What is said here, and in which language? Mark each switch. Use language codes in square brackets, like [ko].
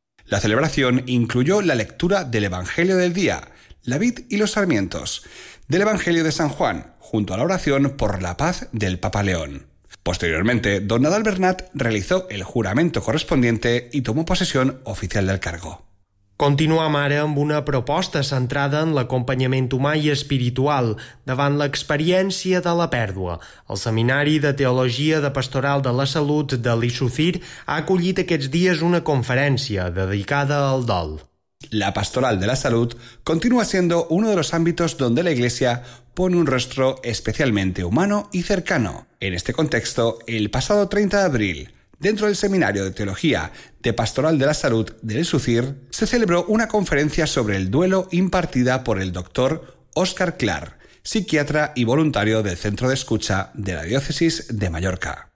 [es] La celebración incluyó la lectura del Evangelio del día, la vid y los sarmientos, del Evangelio de San Juan, junto a la oración por la paz del Papa León. Posteriormente, don Nadal Bernat realizó el juramento correspondiente y tomó posesión oficial del cargo. [ca] Continuem ara amb una proposta centrada en l'acompanyament humà i espiritual davant l'experiència de la pèrdua. El Seminari de Teologia de Pastoral de la Salut de l'ISUCIR ha acollit aquests dies una conferència dedicada al dol. [es] La pastoral de la salud continúa siendo uno de los ámbitos donde la Iglesia pone un rostro especialmente humano y cercano. En este contexto, el pasado 30 de abril, dentro del Seminario de Teología de Pastoral de la Salud del ISUCIR, se celebró una conferencia sobre el duelo impartida por el doctor Óscar Clar, psiquiatra y voluntario del Centro de Escucha de la Diócesis de Mallorca.